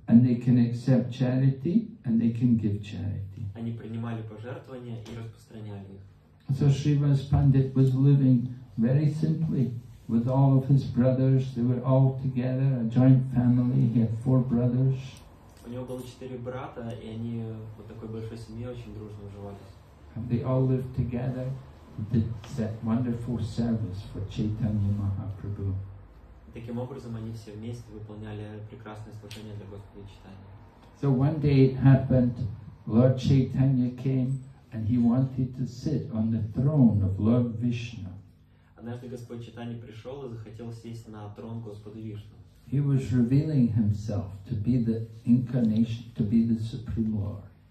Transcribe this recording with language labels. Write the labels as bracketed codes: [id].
[en] And they can accept charity and they can give charity. [ru] Они принимали пожертвования и распространяли их. [en] So Shrivas Pandit was living very simply with all of his brothers. They were all together, a joint family. He had four brothers. [ru] У него было четыре брата, и они вот такой большой семьей очень дружно уживались. [en] And they all lived together, did that wonderful service for Chaitanya Mahaprabhu. [ru] Таким образом, они все вместе выполняли прекрасное служение для Господа Чайтаньи. [en] So one day it happened, Lord Chaitanya came, and he wanted to sit on the throne of Lord Vishnu. [ru] Однажды Господь Чайтанья пришел и захотел сесть на трон Господа Вишну. [en] He was revealing himself to be the incarnation, to be the Supreme Lord.